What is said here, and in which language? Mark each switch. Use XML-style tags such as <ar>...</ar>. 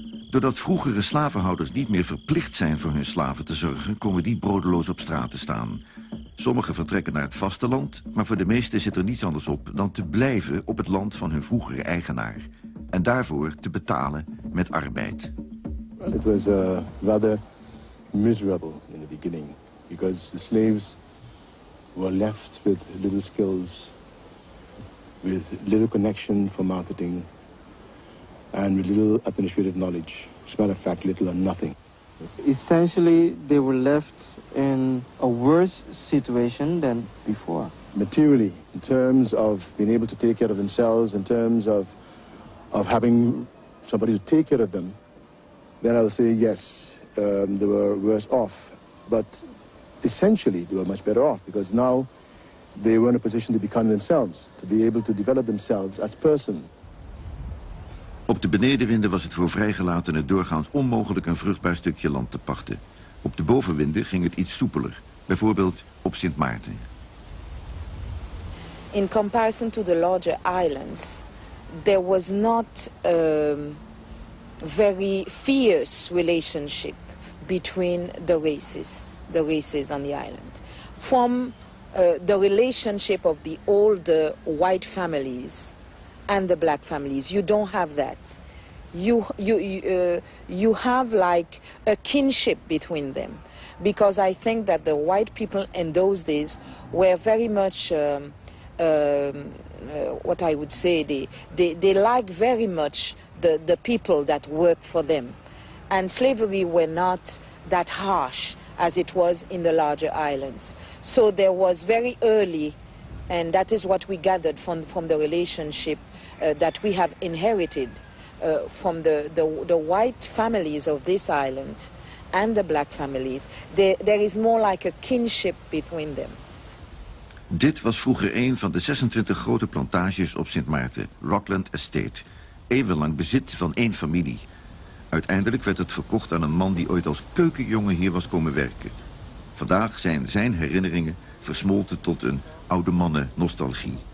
<nl>Doordat vroegere slavenhouders niet meer verplicht zijn voor hun slaven te zorgen, komen die broodeloos op straat te staan. Sommigen vertrekken naar het vasteland, maar voor de meesten zit er niets anders op dan te blijven op het land van hun vroegere eigenaar en daarvoor te betalen met arbeid.</nl> <en>It was rather miserable in the beginning because the slaves were left with little skills, with little connection for marketing and with little administrative knowledge. As a matter of fact, little or nothing. Essentially, they were left in a worse situation than before. Materially, in terms of being able to take care of themselves, in terms of having somebody to take care of them, then I'll say yes, they were worse off. But essentially, they were much better off because now they were in a position to become themselves, to be able to develop themselves as person.</en> <nl>Op de benedenwinden was het voor vrijgelatenen doorgaans onmogelijk een vruchtbaar stukje land te pachten. Op de bovenwinden ging het iets soepeler, bijvoorbeeld op Sint Maarten.</nl> <en>In comparison to the larger islands, there was not a very fierce relationship between the races on the island. From the relationship of the older white families and the black families, you don't have that. You have like a kinship between them, because I think that the white people in those days were very much what I would say, they like very much the people that work for them, and slavery were not that harsh as it was in the larger islands. So there was very early, and that is what we gathered from the relationship that we have inherited from the white families of this island and the black families, there is more like a kinship between them.</en> <nl>Dit was vroeger een van de 26 grote plantages op Sint Maarten, Rockland Estate. Eeuwenlang bezit van één familie. Uiteindelijk werd het verkocht aan een man die ooit als keukenjongen hier was komen werken. Vandaag zijn zijn herinneringen versmolten tot een oude mannen nostalgie.</nl>